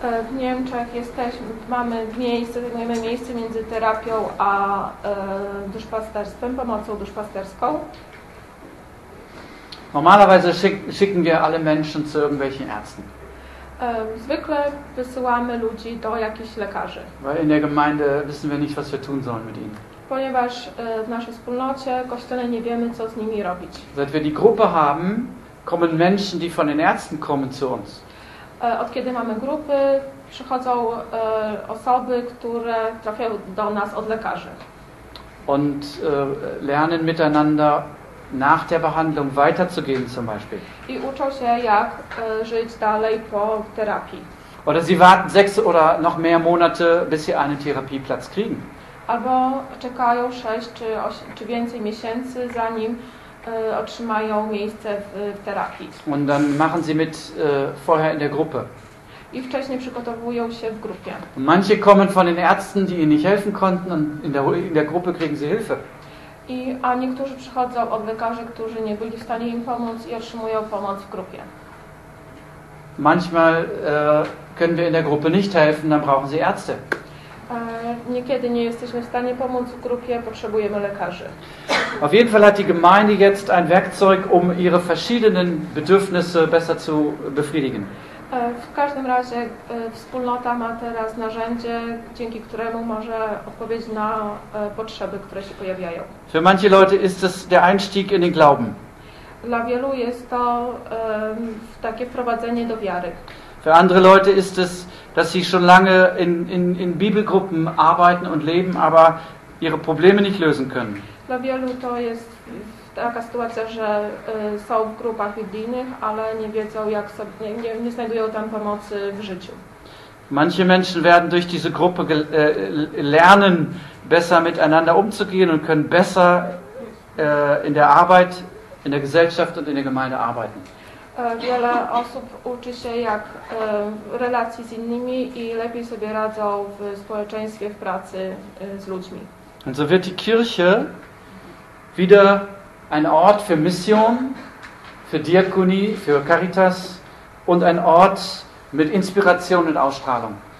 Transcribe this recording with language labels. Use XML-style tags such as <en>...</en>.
<pl>W Niemczech mamy miejsce, zajmujemy miejsce między terapią a duszpasterstwem, pomocą duszpasterską.</pl> <de>Normalerweise schicken wir alle Menschen zu irgendwelchen Ärzten.</de> <pl>Zwykle wysyłamy ludzi do jakichś lekarzy.</pl> <de>Weil in der Gemeinde wissen wir nicht, was wir tun sollen mit ihnen.</de> <pl>Ponieważ w naszej wspólnocie kościele nie wiemy, co z nimi robić.</pl> <de>Seit wir die Gruppe haben, kommen Menschen, die von den Ärzten kommen zu uns.</de> <pl>Od kiedy mamy grupy, przychodzą osoby, które trafiają do nas od lekarzy.</pl> <de>Und lernen miteinander nach der Behandlung weiterzugehen zum Beispiel.</de> <pl>I uczą się, jak żyć dalej po terapii.</pl> <de>Oder sie warten 6 oder noch mehr Monate, bis sie einen Therapieplatz kriegen.</de> <pl>Albo czekają 6 czy 8, czy więcej miesięcy, zanim otrzymają miejsce w terapii.</pl> <de>Und dann machen sie mit vorher in der Gruppe.</de> <pl>I wcześniej przygotowują się w grupie.</pl> <de>Und manche kommen von den Ärzten, die ihnen nicht helfen konnten, und in der Gruppe kriegen sie Hilfe.</de> <pl>I, a niektórzy przychodzą od lekarzy, którzy nie byli w stanie im pomóc i otrzymują pomoc w grupie.</pl> <de>Manchmal können wir in der Gruppe nicht helfen, dann brauchen sie Ärzte.</de> <pl>Niekiedy nie jesteśmy w stanie pomóc w grupie, potrzebujemy lekarzy.</pl> <de>Auf jeden Fall hat die Gemeinde jetzt ein Werkzeug, um ihre verschiedenen Bedürfnisse besser zu befriedigen.</de> <pl>W każdym razie wspólnota ma teraz narzędzie, dzięki któremu może odpowiedzieć na potrzeby, które się pojawiają.</pl> <de>Für manche Leute ist es der Einstieg in den Glauben.</de> <pl>Dla wielu jest to takie wprowadzenie do wiary.</pl> <de>Für andere Leute ist es, dass sie schon lange in Bibelgruppen arbeiten und leben, aber ihre Probleme nicht lösen können.</de> <pl>Dla wielu to jest taka sytuacja, że są w grupach biblijnych, ale nie wiedzą, jak sobie, nie znajdują tam pomocy w życiu.</pl> <de>Manche Menschen werden durch diese Gruppe lernen, besser miteinander umzugehen und können besser in der Arbeit, in der Gesellschaft und in der Gemeinde arbeiten.</de> <pl>Wiele osób uczy się, jak relacji z innymi i lepiej sobie radzą w społeczeństwie, w pracy z ludźmi.</pl> <de>Und so wird die Kirche wieder ein Ort für Mission, für Diakonie, für Caritas und ein Ort mit Inspiration und Ausstrahlung.</de>